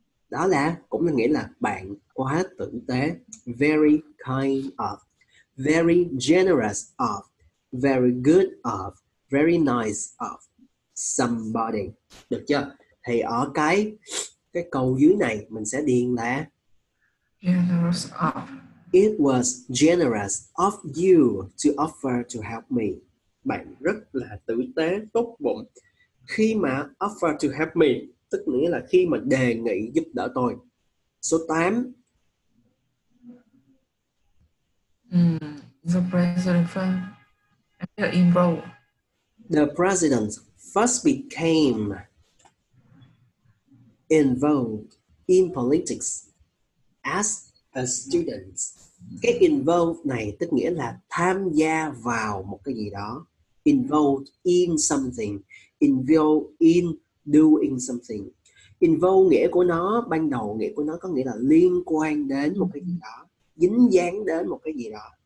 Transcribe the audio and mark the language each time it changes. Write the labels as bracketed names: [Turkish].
[Vietnamese] Đó là, cũng là nghĩa là bạn quá tử tế. [English] Very kind of, very generous of, very good of, very nice of somebody. [Vietnamese] Được chưa? Thì ở cái câu dưới này mình sẽ điền là [English] generous of. It was generous of you to offer to help me. [Vietnamese] Bạn rất là tử tế, tốt bụng. Khi mà [English] offer to help me, [Vietnamese] tức nghĩa là khi mà đề nghị giúp đỡ tôi. Số 8. [English] The president first in role. The president first became involved in politics as a student. [Vietnamese] Cái involved này tức nghĩa là tham gia vào một cái gì đó. [English] Involved in something. Involved in doing something. [Vietnamese] Involved nghĩa của nó, ban đầu nghĩa của nó có nghĩa là liên quan đến một cái gì đó, dính dáng đến một cái gì đó.